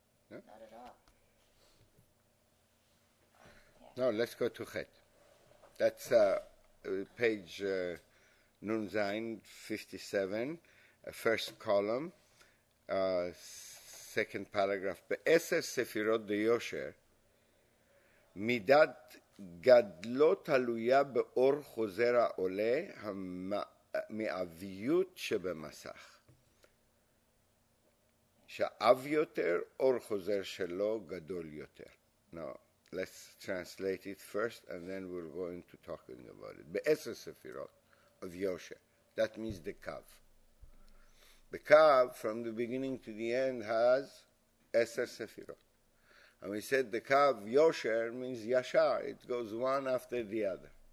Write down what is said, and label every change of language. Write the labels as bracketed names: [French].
[English] No. Not at all. Yeah. No, let's go to Chet. That's page Nun Zayin 57, first column, second paragraph. [Hebrew] Be'eser Sefirot de Yosher, Midat גדלו תלויה באור חוזר העולה מאביות שבמסך. שאב יותר, אור חוזר שלו גדול יותר. [English] Now, let's translate it first and then we're going to talking about it. [Hebrew] בעשר ספירות [English] of Yosher. That means the Kav. The Kav, from the beginning to the end, has עשר ספירות. And we said the Kav Yosher means Yashar. It goes one after the other.